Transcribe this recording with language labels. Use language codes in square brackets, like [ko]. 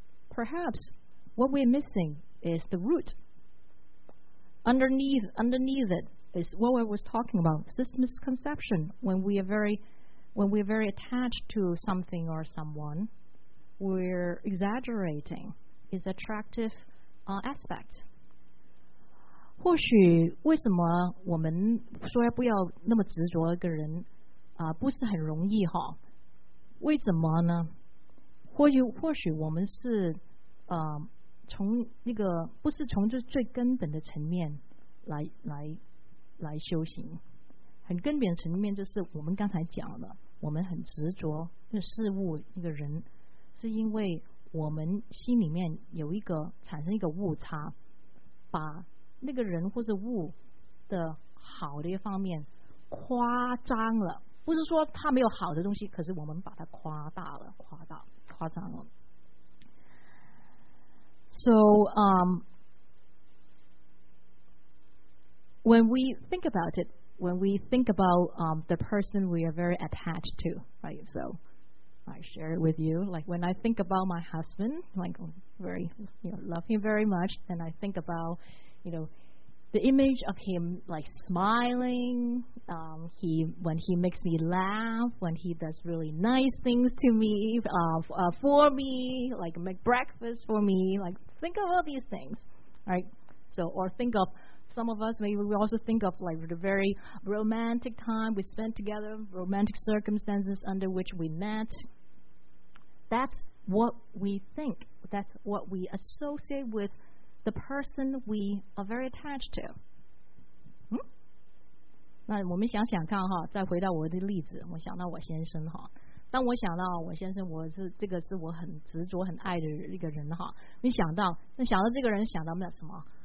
[en] Perhaps what we're missing is the root. Underneath it is what I was talking about, this misconception. When we are very attached to something or someone, we're exaggerating its attractive aspect. [zh] 或许为什么我们说要不要那么执着一个人啊，不是很容易哈？为什么呢？或许我们是从那个不是从这最根本的层面来修行，很根本的层面就是我们刚才讲的，我们很执着那事物那个人，是因为我们心里面有一个产生一个误差，把那个人或者物的好的一方面夸张了，不是说他没有好的东西，可是我们把它夸大了，夸张了。 [en] So, when we think about it, when we think about the person we are very attached to, right? So, I share it with you. Like when I think about my husband, like very, you know, love him very much, and I think about, you know, the image of him like smiling, when he makes me laugh, when he does really nice things to me, for me, like make breakfast for me, like think of all these things, right? So, or think of some of us, maybe we also think of like the very romantic time we spent together, romantic circumstances under which we met. That's what we think, that's what we associate with the person we are very attached to. [zh] 那我们想想看哈，再回到我的例子，我想到我先生哈。当我想到我先生，我是这个是我很执着很爱的一个人哈。你想到，那想到这个人，想到那什么？